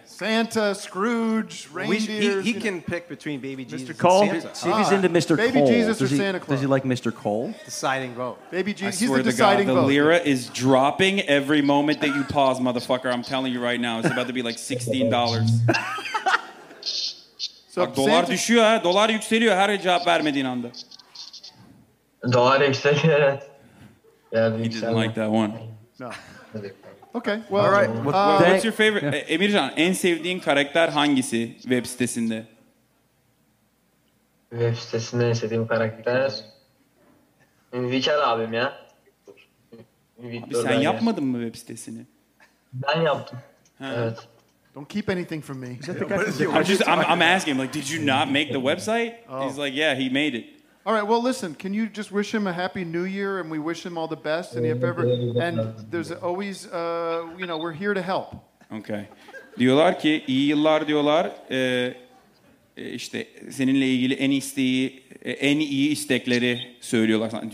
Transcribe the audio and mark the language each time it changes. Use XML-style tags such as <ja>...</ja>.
<en>Santa, Scrooge, reindeer. He can pick between Baby Jesus Mr. Cole? And Santa. See if he's into Mr. Baby Cole. Baby Jesus or Santa Claus? Does he like Mr. Cole? Deciding vote. Baby Jesus, he's the deciding vote. The lira is dropping every moment that you pause, motherfucker. I'm telling you right now, it's about to be like $16.</en> <tr>So dolar düşüyor, dolar yükseliyor her cevap vermediğin anda. Dolar yükseliyor.</tr> <en>He didn't like that one. No. Okay. Well, all right. What's your favorite? Yeah.</en> <tr>Emircan, en sevdiğin karakter hangisi web sitesinde? Web sitesinde en sevdiğim karakter Viker abim ya. Abi, sen yapmadın mı web sitesini? Ben yaptım. Evet.</tr> <en>Don't keep anything from me. I'm asking, like, did you not make the website? Oh. He's like, yeah, he made it. All right. Well, listen. Can you just wish him a happy New Year, and we wish him all the best. And if ever, and there's always, you know, we're here to help.</en> <tr>Okay. Diyorlar ki iyi yıllar diyorlar. İşte seninle ilgili en iyi istekleri söylüyorlar.</tr>